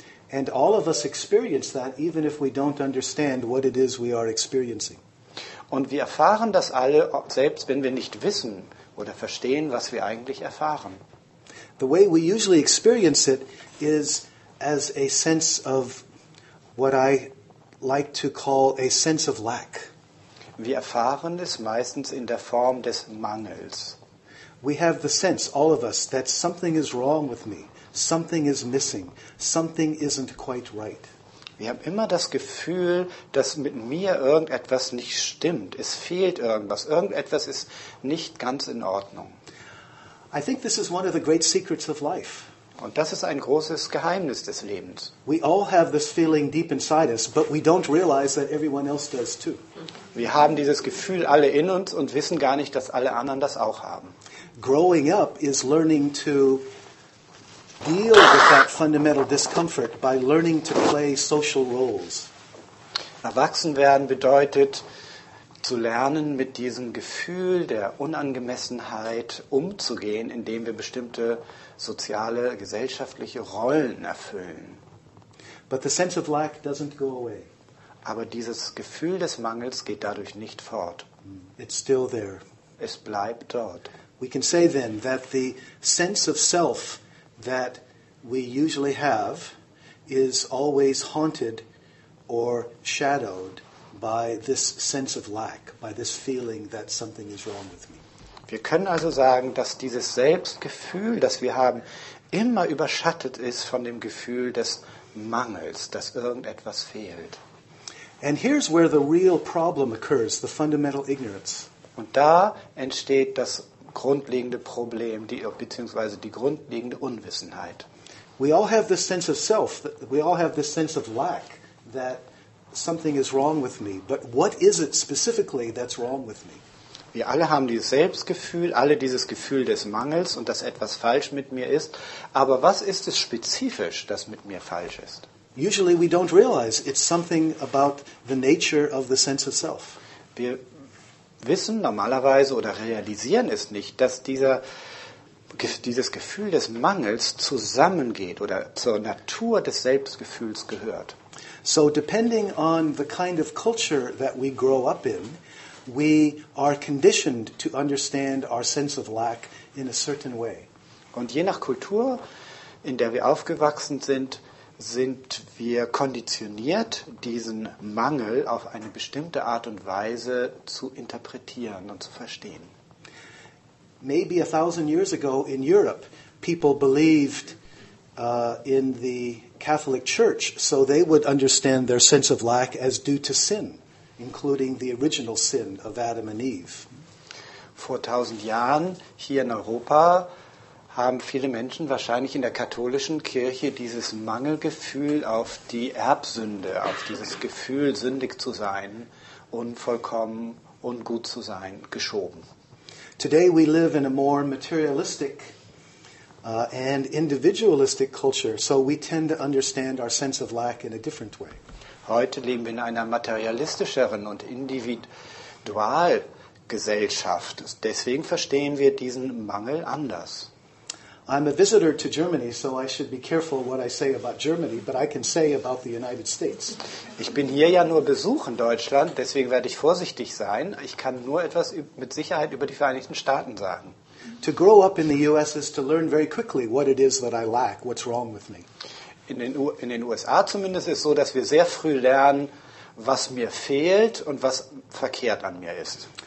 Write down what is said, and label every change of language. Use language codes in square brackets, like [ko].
[en] And all of us experience that, even if we don't understand what it is we are experiencing. [de] Und wir erfahren das alle, selbst wenn wir nicht wissen oder verstehen, was wir eigentlich erfahren. [en] The way we usually experience it is as a sense of what I like to call a sense of lack. [de] Wir erfahren es meistens in der Form des Mangels. [en] We have the sense, all of us, that something is wrong with me. Something is missing. Something isn't quite right. [de] Wir haben immer das Gefühl, dass mit mir irgendetwas nicht stimmt. Es fehlt irgendwas. Irgendetwas ist nicht ganz in Ordnung. [en] I think this is one of the great secrets of life. [de] Und das ist ein großes Geheimnis des Lebens. [en] We all have this feeling deep inside us, but we don't realize that everyone else does too. [de] Wir haben dieses Gefühl alle in uns und wissen gar nicht, dass alle anderen das auch haben. [en] Growing up is learning to deal with that fundamental discomfort by learning to play social roles. [de] Erwachsen werden bedeutet, zu lernen, mit diesem Gefühl der Unangemessenheit umzugehen, indem wir bestimmte soziale, gesellschaftliche Rollen erfüllen. [en] But the sense of lack doesn't go away. [de] Aber dieses Gefühl des Mangels geht dadurch nicht fort. [en] It's still there. [de] Es bleibt dort. [en] We can say then that the sense of self that we usually have is always haunted or shadowed by this sense of lack, by this feeling that something is wrong with me. [de] Wir können also sagen, dass dieses Selbstgefühl, das wir haben, immer überschattet ist von dem Gefühl des Mangels, dass irgendetwas fehlt. [en] And here's where the real problem occurs, the fundamental ignorance. [de] Und da entsteht das grundlegende Problem, beziehungsweise die grundlegende Unwissenheit. [en] We all have this sense of self, we all have this sense of lack, that something is wrong with me, but what is it specifically that's wrong with me? [de] Wir alle haben dieses Selbstgefühl, alle dieses Gefühl des Mangels und dass etwas falsch mit mir ist, aber was ist es spezifisch, das mit mir falsch ist? [en] Usually we don't realize it's something about the nature of the sense of self. [de] Wir wissen normalerweise oder realisieren es nicht, dass dieses Gefühl des Mangels zusammengeht oder zur Natur des Selbstgefühls gehört. [en] So depending on the kind of culture that we grow up in, we are conditioned to understand our sense of lack in a certain way. [de] Und je nach Kultur, in der wir aufgewachsen sind, sind wir konditioniert, diesen Mangel auf eine bestimmte Art und Weise zu interpretieren und zu verstehen. [en] Maybe 1,000 years ago in Europe, people believed in the Catholic Church, so they would understand their sense of lack as due to sin, including the original sin of Adam and Eve. [de] Vor 1,000 Jahren hier in Europa haben viele Menschen wahrscheinlich in der katholischen Kirche dieses Mangelgefühl auf die Erbsünde, auf dieses Gefühl, sündig zu sein, unvollkommen, ungut zu sein, geschoben. [en] Today we live in a more materialistic and individualistic culture, so we tend to understand our sense of lack in a different way. [de] Heute leben wir in einer materialistischeren und individual Gesellschaft. Deswegen verstehen wir diesen Mangel anders. [en] I'm a visitor to Germany, so I should be careful what I say about Germany, but I can say about the United States. [de] Ich bin hier ja nur Besuch in Deutschland, deswegen werde ich vorsichtig sein. Ich kann nur etwas mit Sicherheit über die Vereinigten Staaten sagen. [en] To grow up in the US is to learn very quickly what it is that I lack, what's wrong with me. [de] In den USA zumindest ist es so, dass wir sehr früh lernen, was mir fehlt und was verkehrt an mir ist.